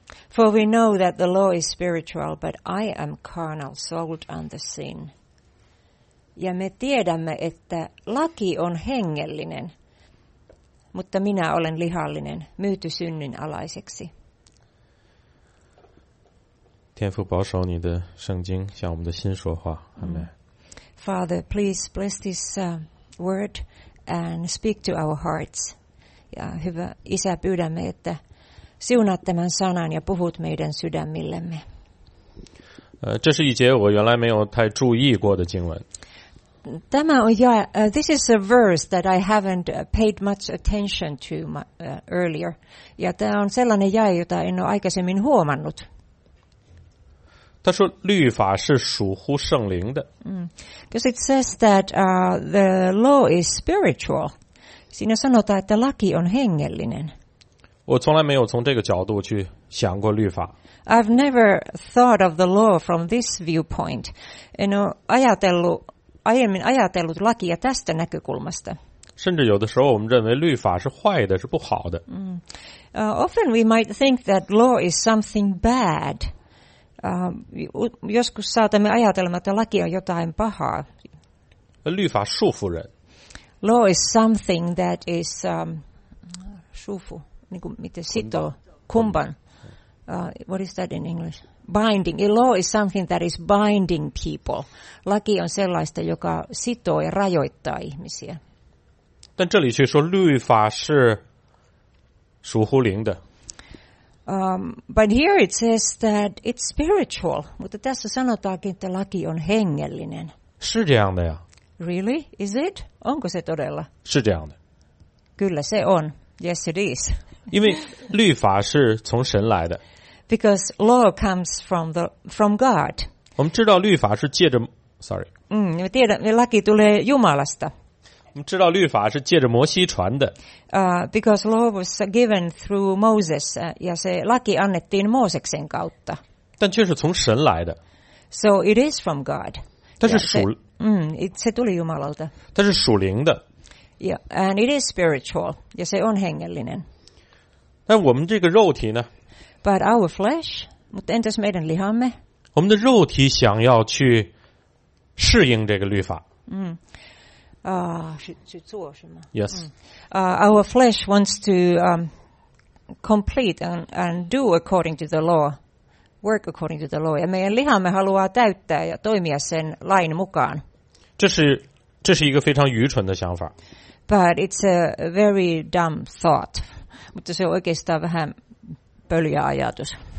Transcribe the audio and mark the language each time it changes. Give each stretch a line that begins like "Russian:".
English: For we know that the law is spiritual, but I am carnal, sold under sin.
Finnish: Ja me tiedämme, että laki on hengellinen, mutta minä olen lihallinen, myyty synnin alaiseksi.
Chinese: 天父保守你的圣经，向我们的心说话。
English: Amen. Father, please bless this word and speak to our hearts.
Finnish: Ja hyvä Isä, pyydämme, että siunaat tämän sanan ja puhut meidän sydämillemme.
Chinese: 这是一节我原来没有太注意过的经文。
Finnish: Tämä on
English: this is a verse that I haven't paid much attention to earlier.
Finnish: Ja tämä on sellainen jae, jota en ole aikaisemmin huomannut.
Chinese: 他说律法是属乎圣灵的。
English: Because it says that the law is spiritual.
Finnish: Siinä sanotaan, että laki on hengellinen.
Chinese: 我从来没有从这个角度去想过律法。
English: I've never thought of the law from this viewpoint.
Finnish: En ole aiemmin ajatellut lakia tästä näkökulmasta.
Chinese: 甚至有的时候我们认为律法是坏的，是不好的。
English: Often we might think that law is something bad.
Finnish: Joskus saatamme ajatella, että laki on jotain pahaa.
Chinese: 律法束缚人。
English: Law is something that is
Chinese: 束缚，那个什么，
Finnish: sito kumban.
English: What is that in English? Binding. A law is something that is binding people.
Finnish: Laki on sellaista, joka sitoo ja rajoittaa ihmisiä.
Chinese: 但这里却说律法是属乎灵的。
English: But here it says that it's spiritual.
Finnish: Mutta tässä sanotaankin, että laki on hengellinen.
Chinese: 是这样的呀。
English: Really? Is it?
Finnish: Onko se todella?
Chinese: 是这样的。
Finnish: Kyllä se on.
English: Yes, it is.
Chinese: 因为律法是从神来的。
English: Because law comes from God.
Chinese: 我们知道律法是借着 ，sorry。你们听着，
Finnish: laki tulee Jumalasta。
Chinese: 我们知道律法是借着摩西传的。
English: Because law was given through Moses,
Finnish: ja se laki annettiin Mooseksen kautta。
Chinese: 但却是从神来的。
English: So it is from God.
Chinese: 它是属，
Finnish: se tuli Jumalalta。
Chinese: 它是属灵的。
English: Yeah, and it is spiritual.
Finnish: Ja se on hengellinen.
Chinese: 但我们这个肉体呢?
English: But our flesh,
Finnish: mutta entäs meidän lihamme?
Chinese: 我们的肉体想要去适应这个律法。去做什么?
English: Yes. Our flesh wants to complete and do according to the law. Work according to the law.
Finnish: Ja meidän lihamme haluaa täyttää ja toimia sen lain mukaan.
Chinese: 这是一个非常愚蠢的想法。
English: But it's a very dumb thought.
Finnish: Mutta se on oikeastaan vähän pöljä ajatus.